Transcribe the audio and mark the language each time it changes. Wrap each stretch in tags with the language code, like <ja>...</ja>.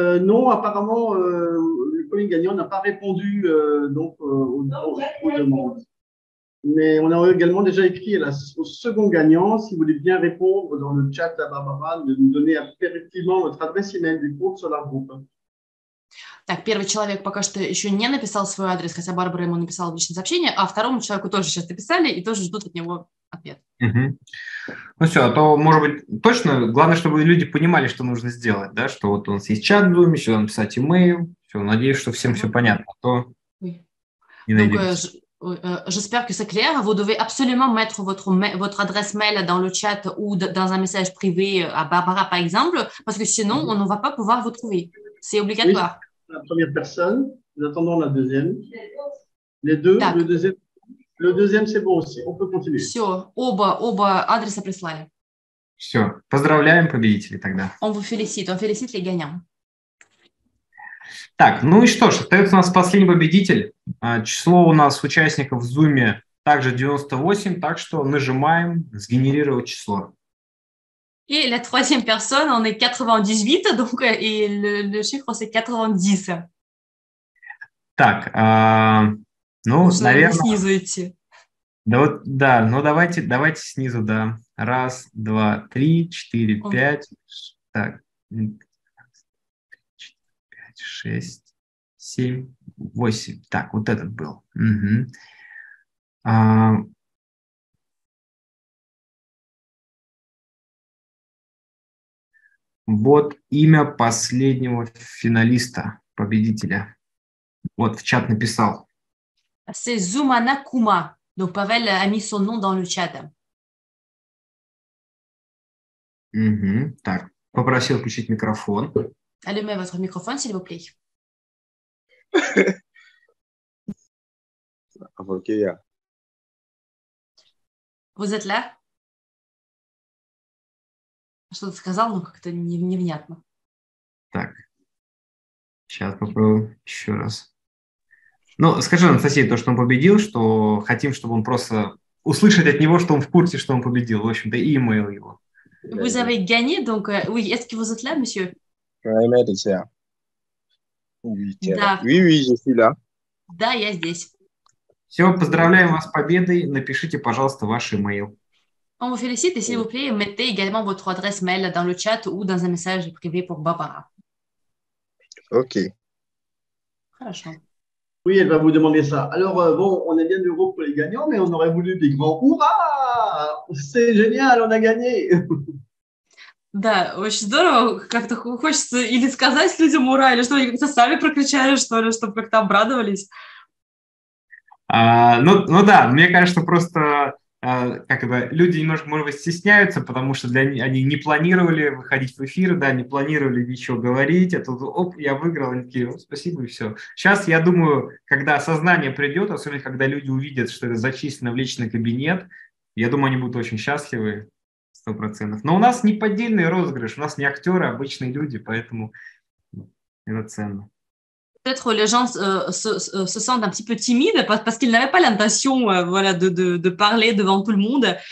<fr>Non, apparemment, le premier gagnant n'a pas répondu aux demandes. Mais on a également déjà écrit au second gagnant, si vous voulez bien répondre dans le chat à Barbara, de nous donner impérativement votre adresse email du compte Solar Group.</fr> <ru>Так, первый человек пока что еще не написал свой адрес, хотя Барбара ему написала личное сообщение, а второму человеку тоже сейчас написали и тоже ждут от него ответ. Ну все, а то, может быть, точно, главное, чтобы люди понимали, что нужно сделать, да, что вот у нас есть чат в Zoom, еще надо написать имейл, все, надеюсь, что всем все понятно, а то не найдется.</ru> <fr>J'espère que c'est clair, vous devez absolument mettre votre adresse mail dans le chat ou dans un message privé à Barbara, par exemple, parce que sinon, on ne va pas pouvoir vous trouver. C'est obligatoire. Oui. La première personne, nous attendons la deuxième. Les deux, так. le deuxième, c'est bon aussi, on peut continuer.</fr> <ru>Все, оба адреса прислали. Все, поздравляем победителей тогда.</ru> <fr>Он félicite les gagnants.</fr> <ru>Так, ну и что ж, остается у нас последний победитель. Число у нас участников в Zoom также 98, так что нажимаем «Сгенерировать число».</ru> <fr>Et la troisième personne, on est 98, donc et le chiffre, c'est 90.</fr> <ru>Так, ну, Нужно наверное... снизу идти. Да, вот, да, ну давайте снизу, да. Раз, два, три, четыре, пять. Так. Пять, шесть, семь, восемь. Так, вот этот был. Угу. Вот имя последнего финалиста, победителя. Вот в чат написал.</ru> <fr>C'est Zoumana Kouma. Donc Pavel a mis son nom dans le chat. Угу.</fr> <ru>Так, попросил включить микрофон.</ru> <fr>Allumez votre microphone, s'il vous plaît. Авокея. Vous êtes là?</fr> <ru>Что-то сказал, но как-то невнятно. Так. Сейчас попробуем еще раз. Ну, скажи, Анастасия, то, что он победил, что хотим, чтобы он просто услышать от него, что он в курсе, что он победил. В общем-то, и имейл его.</ru> <fr>Vous avez gagné, donc oui, est-ce que vous êtes là, monsieur? Oui, madame, c'est là. Oui, oui, je suis là.</fr> <ru>Да, я здесь. Все, поздравляем вас с победой. Напишите, пожалуйста, ваш имейл.</ru> <fr>On vous félicite et s'il vous plaît, mettez également votre adresse mail dans le chat ou dans un message privé pour Barbara. Ok.</fr> <ru>Хорошо.</ru> <fr>Oui, elle va vous demander ça. Alors, bon, on est bien heureux pour les gagnants, mais on aurait voulu des grands hurrahs. C'est génial, on a gagné.</fr> <ru>Да, очень здорово. Как-то хочется или сказать людям ура, или что, они сами прокричали, что ли, чтобы как-то обрадовались. Ну да, мне кажется, просто... как бы люди немножко, может быть, стесняются, потому что для них, они не планировали выходить в эфир, да, не планировали ничего говорить, а тут оп, я выиграл, они такие, спасибо, и все. Сейчас, я думаю, когда осознание придет, особенно когда люди увидят, что это зачислено в личный кабинет, я думаю, они будут очень счастливы, 100%. Но у нас не поддельный розыгрыш, у нас не актеры, а обычные люди, поэтому это ценно.</ru> <fr>Peut-être les gens se sentent un petit peu timides parce qu'ils n'avaient pas l'intention voilà, de parler devant tout le monde.</fr>